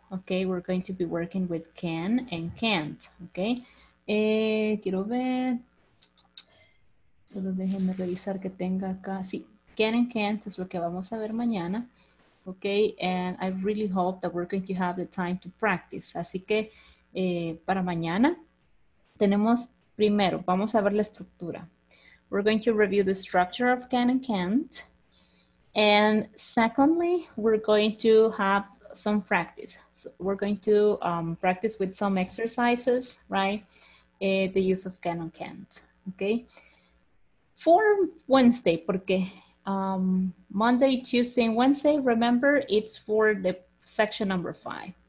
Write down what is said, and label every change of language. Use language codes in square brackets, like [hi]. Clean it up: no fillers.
[en] Okay, we're going to be working with can and can't. Okay, [es] quiero ver. Solo déjenme revisar que tenga acá. Sí, [en] can and can't [es] es lo que vamos a ver mañana. [en] Okay, and I really hope that we're going to have the time to practice. [es] Así que para mañana tenemos primero, vamos a ver la estructura. [en] We're going to review the structure of can and can't. And secondly, we're going to have some practice. So we're going to practice with some exercises, right? The use of can and can't, okay? For Wednesday, [es] porque [en] Monday, Tuesday, and Wednesday, remember, it's for the section number 5.